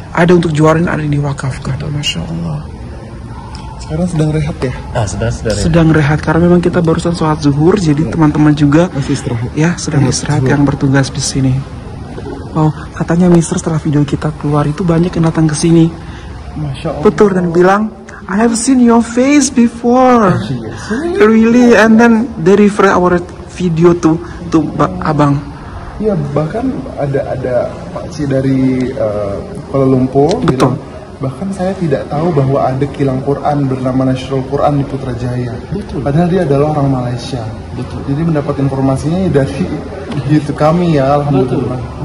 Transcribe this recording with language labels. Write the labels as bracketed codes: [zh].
[id] Ada untuk jualan, ada yang diwakafkan. Betul. Masyaallah. Sekarang sedang rehat ya? Sedang rehat. Karena memang kita barusan sholat zuhur, jadi ya. Teman-teman juga masih istirahat. Ya, sedang istirahat yang bertugas di sini. Oh, katanya Mister setelah video kita keluar itu banyak yang datang ke sini. Masya Allah. Betul, dan bilang, [en] I have seen your face before. Actually, really, and then they refer our video to abang. [id] Ya, bahkan ada paksi dari Kuala Lumpur. Betul. Bilang, bahkan saya tidak tahu bahwa ada kilang Quran bernama Nasrul Quran di Putrajaya. Betul. Padahal dia adalah orang Malaysia. Betul. Jadi mendapat informasinya dari gitu kami ya, alhamdulillah.